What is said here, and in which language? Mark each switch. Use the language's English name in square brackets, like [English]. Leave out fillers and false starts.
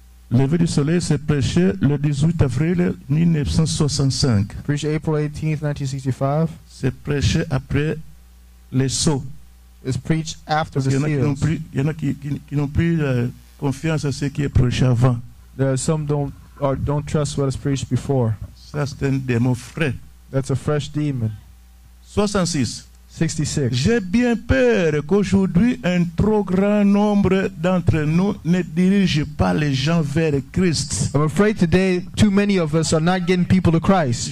[French] Lever du soleil s'est prêché le 18 avril 1965. [English] Preached April 18th, 1965. [French] C'est prêché après les sceaux. [English] It's preached after the seals. [French] Il y en a qui n'ont plus confiance à ce qui est prêché avant. [English] There are some don't trust what is preached before. [French] Ça, c'est un démon frais. [English] That's a fresh demon. [French] 66. [English] 66. [French] J'ai bien peur qu'aujourd'hui un trop grand nombre d'entre nous ne dirige pas les gens vers Christ. [English] I'm afraid today too many of us are not getting people to Christ.